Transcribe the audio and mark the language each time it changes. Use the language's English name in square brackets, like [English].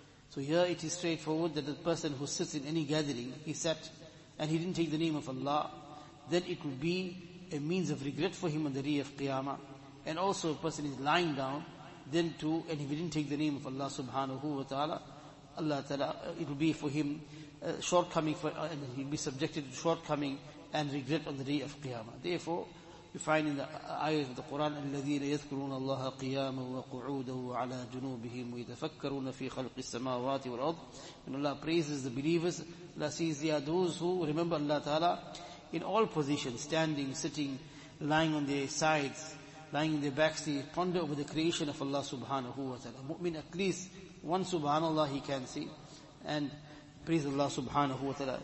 [English] So here it is straightforward that the person who sits in any gathering, he sat and he didn't take the name of Allah, then it will be a means of regret for him on the day of Qiyamah. And also a person is lying down, then too, and if he didn't take the name of Allah Subhanahu Wa Ta'ala, Allah Ta'ala, it will be for him shortcoming, and he will be subjected to shortcoming and regret on the day of Qiyamah. Therefore, we find in the ayah of the Quran, [Arabic] الَّذِينَ يَذْكُرُونَ اللَّهَ قِيَامًا وَقُعُودًا وَعَلَى جُنُوبِهِمْ وَيَتَفَكَّرُونَ فِي خَلْقِ السَّمَاوَاتِ وَالْأَرْضِ. [English] When Allah praises the believers, Allah says, they are those who remember Allah Ta'ala in all positions, standing, sitting, lying on their sides, lying in their backs, they ponder over the creation of Allah Subhanahu Wa Ta'ala. Mu'min, at least one Subhanallah he can see and praise Allah Subhanahu Wa Ta'ala.